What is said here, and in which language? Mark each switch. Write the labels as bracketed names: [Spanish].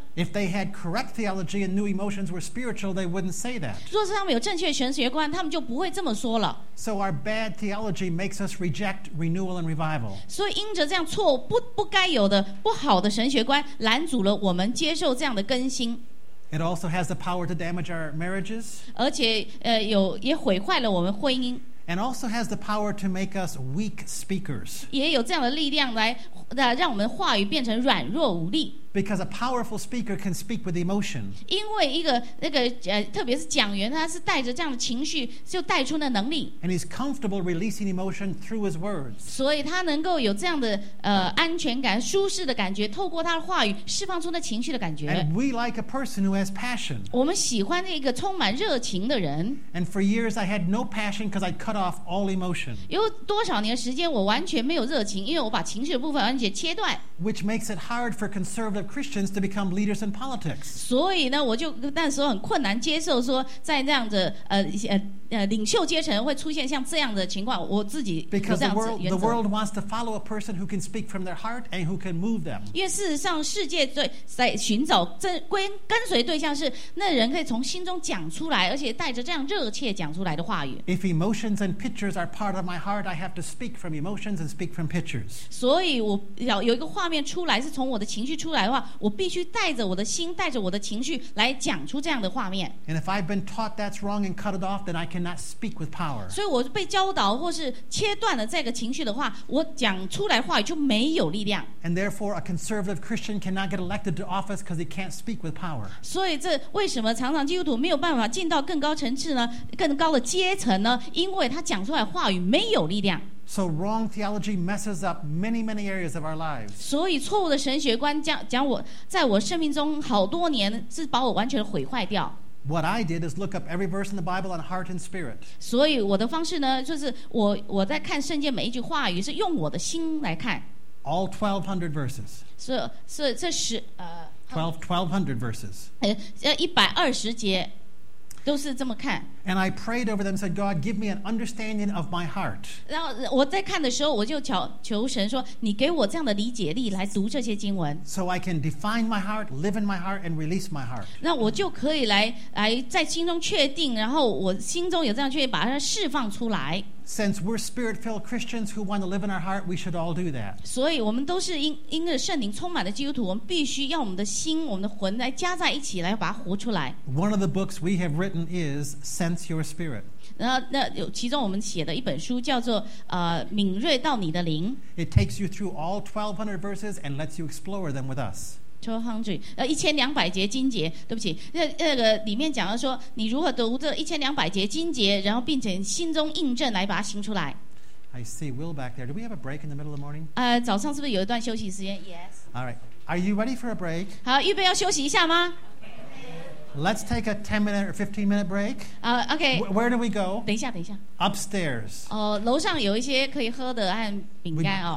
[English] If they had correct theology and knew emotions were spiritual, they wouldn't say that. [Chinese] 若是他们有正确的神学观，他们就不会这么说了。 [English] So our bad theology makes us reject renewal and revival. [Chinese] 所以因着这样错不该有的不好的神学观，拦阻了我们接受这样的更新。 [English] It also has the power to damage our marriages. [Chinese] 而且也毁坏了我们婚姻。 [English] And also has the power to make us weak speakers. [Chinese] 也有这样的力量来让我们话语变成软弱无力。 [English] Because a powerful speaker can speak with emotion. [Chinese] 因为一个特别是讲员，他是带着这样的情绪，就带出那能力。 [English] And he's comfortable releasing emotion through his words. [Chinese] 所以他能够有这样的安全感、舒适的感觉，透过他的话语释放出那情绪的感觉。 [English] And we like a person who has passion. [Chinese] 我们喜欢一个充满热情的人。 [English] And for years I had no passion because I cut off all emotion. [Chinese] 有多少年时间我完全没有热情，因为我把情绪的部分完全切断。 [English] Which makes it hard for conservative. Of Christians to become leaders in politics. [Chinese] 所以呢，我就那时候很困难接受说，在那样的领袖阶层会出现像这样的情况，我自己有这样子原则。 [English] Because the world wants to follow a person who can speak from their heart and who can move them. [Chinese] 因为事实上，世界对在寻找跟随对象是那人可以从心中讲出来，而且带着这样热切讲出来的话语。 [English] If emotions and pictures are part of my heart, I have to speak from emotions and speak from pictures. [Chinese] 所以我要有一个画面出来，是从我的情绪出来的话。话，我必须带着我的心，带着我的情绪来讲出这样的画面。 [English] And if I've been taught that's wrong and cut it off, then I cannot speak with power. [Chinese] 所以我被教导或是切断了这个情绪的话，我讲出来话语就没有力量。 [English] And therefore, a conservative Christian cannot get elected to office because he can't speak with power. [Chinese] 所以这为什么常常基督徒没有办法进到更高层次呢？更高的阶层呢？因为他讲出来话语没有力量。 [English] So wrong theology messes up many, many areas of our lives. [Chinese] 所以错误的神学观将我在我生命中好多年是把我完全毁坏掉。 [English] What I did is look up every verse in the Bible on heart and spirit. [Chinese] 所以我的方式呢，就是我在看圣经每一句话语是用我的心来看。 [English] All 1,200 verses. 1,200 verses. [Chinese] 120节。都是这么看。 [English] And I prayed over them, said, God, give me an understanding of my heart. [Chinese] 然后我在看的时候，我就求神说，你给我这样的理解力来读这些经文。 [English] So I can define my heart, live in my heart, and release my heart. [Chinese] 那我就可以来在心中确定，然后我心中有这样确定，把它释放出来。 [English] Since we're spirit-filled Christians who want to live in our heart, we should all do that. [Chinese] 所以我们都是因着圣灵充满的基督徒，我们必须要我们的心、我们的魂来加在一起，来把它活出来。 [English] One of the books we have written is Sense Your Spirit. [Chinese] 那其中我们写的一本书叫做敏锐到你的灵。 [English] It takes you through all 1,200 verses and lets you explore them with us. [Chinese] 1,200 节经节，对不起，那个里面讲到说，你如何读这1,200节经节，然后并且心中印证来把它行出来。 [English] I see Will back there. Do we have a break in the middle of the morning? [Chinese] 早上是不是有一段休息时间 ？ [English] Yes. All right. Are you ready for a break? [Chinese] 好，预备要休息一下吗 [English] ？Let's take a 10-minute or 15-minute break. Okay. Where do we go? [Chinese] 等一下。 [English] Upstairs. [Chinese] 楼上有一些可以喝的和饼干哦。